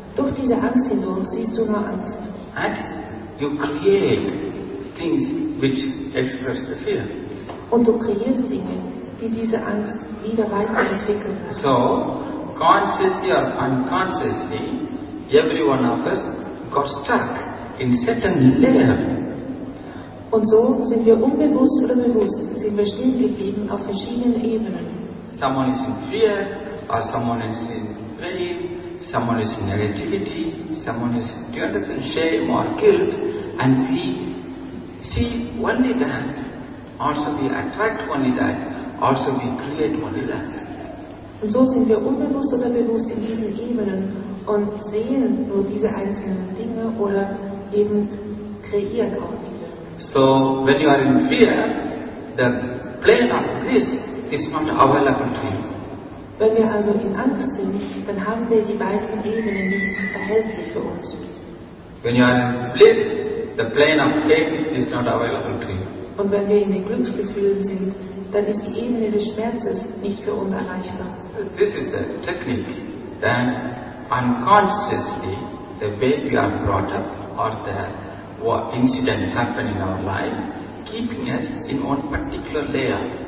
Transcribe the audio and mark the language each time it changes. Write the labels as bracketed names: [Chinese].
[German] Durch diese Angst hindurch siehst du nur Angst. [English] And you create things which express the fear. [German] Und du kreierst Dinge, die diese Angst wieder weiterentwickeln. [English] So, consciously or unconsciously, every one of us got stuck in certain layer. [German] Und so sind wir unbewusst oder bewusst, sind wir stehen geblieben auf verschiedenen Ebenen. [English] Someone is in fear, or someone is in pain, someone is in negativity, someone is, do you understand, shame or guilt, and we see only that, also we attract only that, also we create only that. [German] Und so sind wir unbewusst oder bewusst in diesen Ebenen und sehen nur diese einzelnen Dinge oder eben kreieren auch diese. [English] So, when you are in fear, the plane of bliss is not available to you. [German] Wenn wir also in Angst sind, dann haben wir die beiden Ebenen nicht erhältlich für uns. [English] When you are in bliss, the plane of pain is not available to you. [German] Und wenn wir in den Glücksgefühlen sind, dann ist die Ebene des Schmerzes nicht für uns erreichbar. [English] This is the technique. Then unconsciously, the way we are brought up or the incident happened in our life, keeping us in one particular layer.